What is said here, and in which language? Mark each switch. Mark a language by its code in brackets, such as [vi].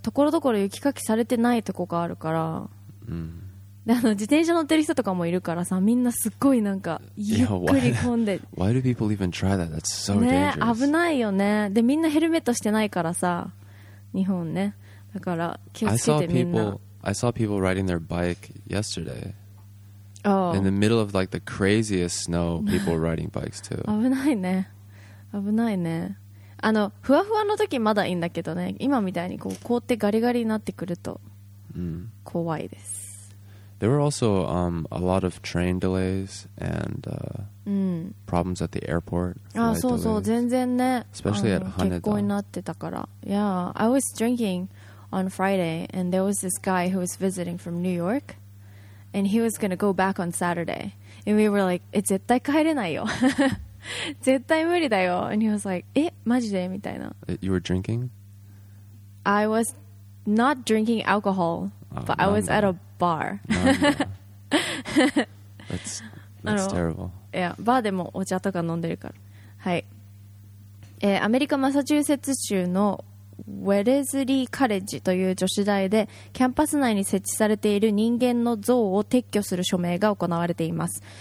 [ja] ところどころ雪かきされてないとこがあるから、うん、で自転車乗ってる人とかもいるからさ、みんなすっごいなんかゆっくり込んで。 [en] Why do people even try that? That's so dangerous. [ja] ね、危ないよね。でみんなヘルメットしてないからさ、日本ね。だから気をつけてみんな。 [en] I saw people riding their bike yesterdayIn the middle of like the craziest snow, people were riding bikes too. [ja] 危ないね、危ないね。ふわふわの時まだいいんだけどね、今みたいにこう凍ってガリガリになってくると怖いです。 [en] There were also a lot of train delays and problems at the airport. [ja] あ、そうそう、全然ね。 [en] Especially at Haneda. [ja] 欠航になってたから。 [en] Yeah, I was drinking on Friday, and there was this guy who was visiting from New York. And he was gonna go back on Saturday. And we were like, [ja] え、絶対帰れないよ。絶対無理だよ。 [en] And he was like, [ja] え、マジで?みたいな。 [en] You were drinking? I was not drinking alcohol, but I was at a bar. that's terrible. Yeah, [ja] バーでもお茶とか飲んでるから。はい。アメリカ・マサチューセッツ州のウェレズリーカレッジという女子大でキャンパス内に設置されている人間の像を撤去する署名が行われています。